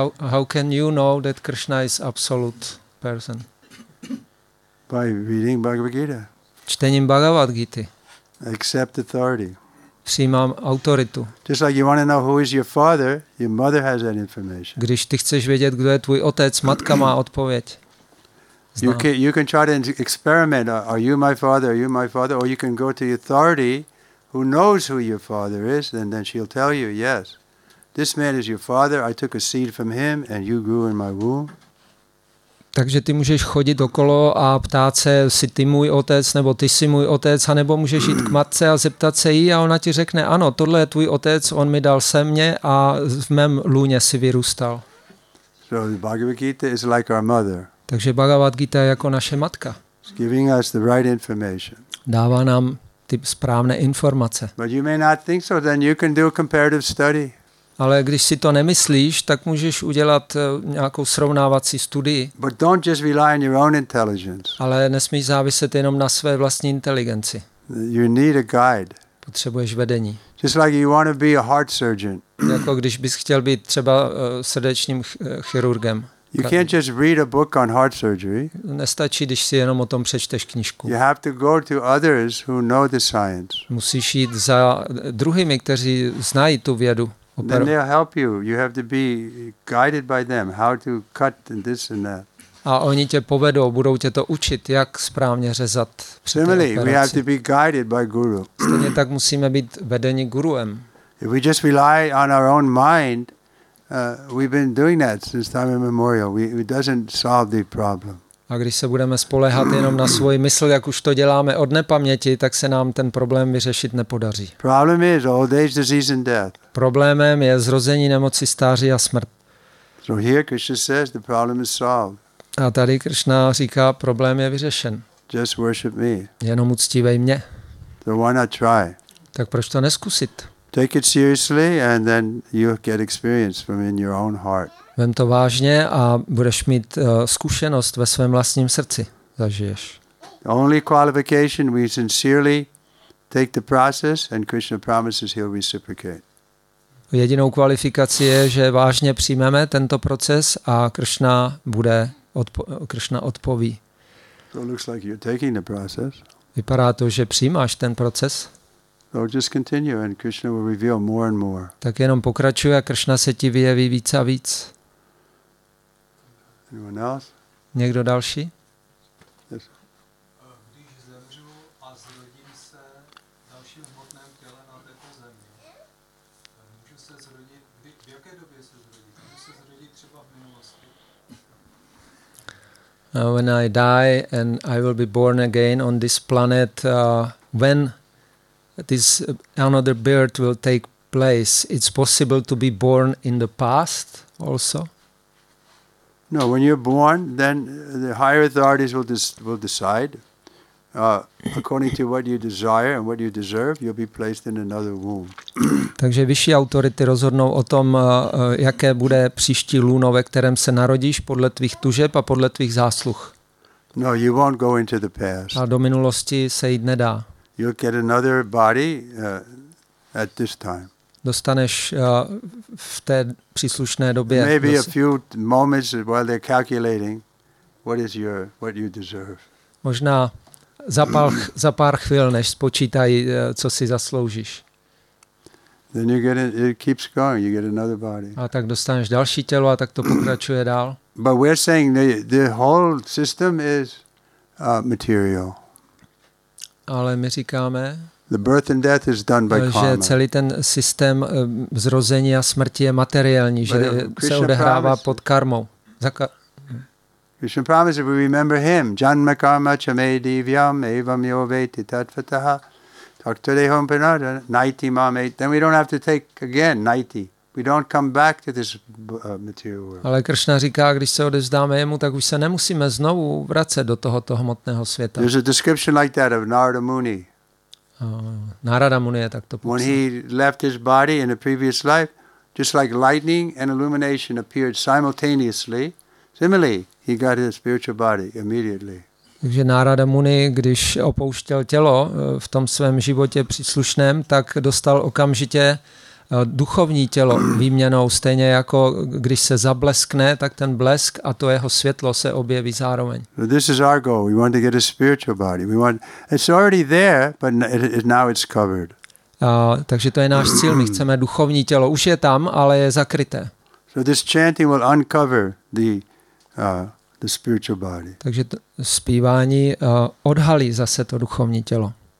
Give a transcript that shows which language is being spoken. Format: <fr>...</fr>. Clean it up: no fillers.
<en>How can you know that Krishna is absolute person? By reading Bhagavad Gita.</en> <cs>Čtením Bhagavad Gita.</cs> <en>Accept authority.</en> <cs>Přijímám autoritu.</cs> <en>Just like you want to know who is your father, your mother has that information.</en> <cs>Když ty chceš vědět, kdo je tvůj otec, matka má odpověď. Znám.</cs> <en>You can try to experiment. Are you my father? Are you my father? Or you can go to the authority, who knows who your father is, and then she'll tell you, yes, this man is your father. I took a seed from him, and you grew in my womb.</en> <cs>Takže ty můžeš chodit okolo a ptát se, jsi ty můj otec, nebo ty jsi můj otec, anebo můžeš jít k matce a zeptat se jí a ona ti řekne, ano, tohle je tvůj otec, on mi dal se mě a v mém lůně si vyrůstal.</cs> <en>So the Bhagavad Gita is like our mother.</en> <cs>Takže Bhagavad Gita je jako naše matka.</cs> <en>It's giving us the right information.</en> <cs>Dává nám ty správné informace.</cs> <en>But you may not think so, then you can do a comparative study.</en> <cs>Ale když si to nemyslíš, tak můžeš udělat nějakou srovnávací studii.</cs> <en>But don't just rely on your own intelligence.</en> <cs>Ale nesmíš záviset jenom na své vlastní inteligenci.</cs> <en>You need a guide.</en> <cs>Potřebuješ vedení.</cs> <en>Just like you want to be a heart surgeon.</en> <cs>Jako když bys chtěl být třeba srdečním chirurgem.</cs> <en>You can't just read a book on heart surgery.</en> <cs>Nestačí, když si jenom o tom přečteš knížku.</cs> <en>You have to go to others who know the science.</en> <cs>Musíš jít za druhými, kteří znají tu vědu.</cs> <en>Then they'll help you. You have to be guided by them how to cut this and that.</en> <cs>A oni tě povedou, budou tě to učit, jak správně řezat.</cs> <en>Similarly, we have to be guided by guru.</en> <cs>Stejně tak musíme být vedeni guruem.</cs> <en>If we just rely on our own mind, we've been doing that since time immemorial. It doesn't solve the problem.</en> <cs>A když se budeme spoléhat jenom na svůj mysl, jak už to děláme od nepaměti, tak se nám ten problém vyřešit nepodaří.</cs> <en>Problem is old age, disease and death.</en> <cs>Problémem je zrození, nemoci, stáří a smrt.</cs> <en>So here Krishna says the problem is solved.</en> <cs>A tady Krishna říká, problém je vyřešen.</cs> <en>Just worship me.</en> <cs>Jenom uctívej mě.</cs> <en>So why not try?</en> <cs>Tak proč to neskusit?</cs> <en>Take it seriously and then you get experience from in your own heart.</en> <cs>Vem to vážně a budeš mít zkušenost ve svém vlastním srdci. Zažiješ.</cs> <en>Only qualification we sincerely take the process and Krishna promises he'll reciprocate.</en> <cs>Jedinou kvalifikací je, že vážně přijmeme tento proces a Krishna bude Krishna odpoví.</cs> <en>So looks like you're taking the process.</en> <cs>Vypadá to, že přijímáš ten proces.</cs> <en>So just continue and Krishna will reveal more and more.</en> <cs>Tak jenom pokračuje a Krishna se ti vyjeví víc a víc.</cs> <en>Anyone else?</en> <cs>Někdo další?</cs> <en>Yes.</en> <cs>Když zemřu a zrodím se v dalším hmotném těle na této zemi, můžu se zrodit, v jaké době se zrodit? Můžu se zrodit třeba v minulosti?</cs> <en>When I die and I will be born again on this planet, when this another birth will take place, it's possible to be born in the past also? No, when you're born, then the higher authorities will decide according to what you desire and what you deserve, you'll be placed in another womb.</en> <cs>Takže vyšší autority rozhodnou o tom, jaké bude příští lůno, ve kterém se narodíš, podle tvých tužeb a podle tvých zásluh.</cs> <en>No, you won't go into the past.</en> <cs>A do minulosti se jít nedá.</cs> <en>You'll get another body at this time.</en> <cs>Dostaneš v té příslušné době.</cs> <en>Maybe a few moments while they're calculating what you deserve.</en> <cs>Možná za pár chvil, než spočítají, co si zasloužíš.</cs> <en>Then you get it keeps going. You get another body.</en> <cs>A tak dostaneš další tělo a tak to pokračuje dál.</cs> <en>But we're saying the whole system is material.</en> <cs>Ale my říkáme.</cs> <en>The birth and death is done by karma.</en> <cs>Že celý ten systém zrození a smrti je materiální, že se odehrává pod karmou.</cs> <en>Krishna promises we remember him.</en> <sa>Janma karma cha me divyam evam yo veti tatvataha taktadeham pranada naiti mame.</sa> <en>Then we don't have to take again naiti. We don't come back to this material world.</en> <cs>Ale Krishna říká, když se odevzdáme jemu, tak už se nemusíme znovu vracet do tohoto hmotného světa.</cs> <en>There's a description like that of Narada Muni.</en> <cs>Narada Muni je takto popsal.</cs> <en>When he left his body in a previous life, just like lightning and illumination appeared simultaneously, similarly, he got his spiritual body immediately.</en> <cs>Takže Narada Muni, když opouštěl tělo v tom svém životě příslušném, tak dostal okamžitě duchovní tělo výměnou, stejně jako když se zableskne, tak ten blesk a to jeho světlo se objeví zároveň.</cs> <en>So this is our goal. We want to get a spiritual body. We want it's already there, but now it's covered.</en> <cs>Takže to je náš cíl. My chceme duchovní tělo. Už je tam, ale je zakryté.</cs> <en>So this chanting will uncover the spiritual body.</en> <cs>Takže to zpívání odhalí zase to duchovní tělo.</cs>